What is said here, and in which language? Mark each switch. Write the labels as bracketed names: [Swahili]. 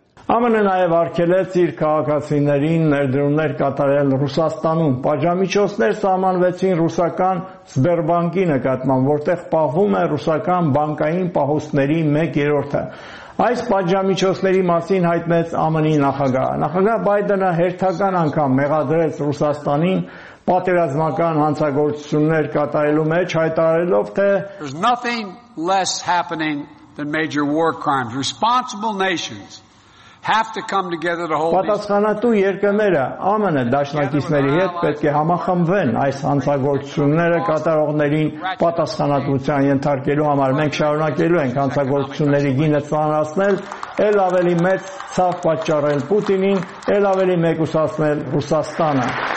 [Armenian] ԱՄՆ-ը նաև արգելեց իր քաղաքացիներին ներդրումներ կատարել Ռուսաստանում։ Պաշտամիջոցներ սահմանվեցին ռուսական Սբերբանկի նկատմամբ, որտեղ պահվում է ռուսական բանկային պահոցների 1/3-ը։ Այս պաշտամիջոցների մասին հայտնեց ԱՄՆ-ի նախագահը։ Նախագահ Բայդենը հերթական անգամ մեղադրեց Ռուսաստանին պատերազմական հանցագործություններ կատարելու մեջ հայտարելով թե [English] There's nothing less happening than major war crimes. Responsible nations have to come together to hold [Armenian] պատասխանատու երկրները ԱՄՆ դաշնակիցների հետ պետք է համախմբվեն այս հանցագործությունները կատարողներին պատասխանատվության ենթարկելու համար մենք շարունակելու ենք հանցագործությունների գինը ծանրացնել ել ավելի մեծ ցավ պատճառել Պուտինին ել ավելի մեկուսացնել Ռուսաստանը